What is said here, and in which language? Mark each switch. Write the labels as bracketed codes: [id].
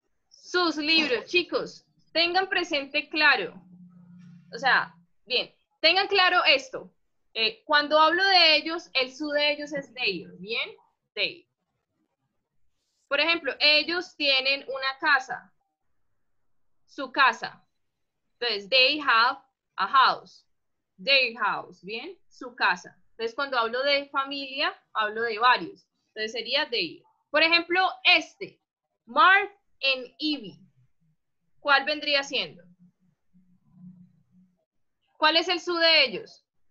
[es] Sus libros. Chicos, tengan presente claro. O sea, bien. Tengan claro esto. Cuando hablo de ellos, el su de ellos es their. ¿Bien? Their. Por ejemplo, ellos tienen una casa. Su casa. Entonces, [en] they have a house. Their house, [es] ¿bien? Su casa. Entonces, cuando hablo de familia, hablo de varios. Entonces, sería their. Por ejemplo, este. Mark and Evie. ¿Cuál vendría siendo? ¿Cuál es el su de ellos?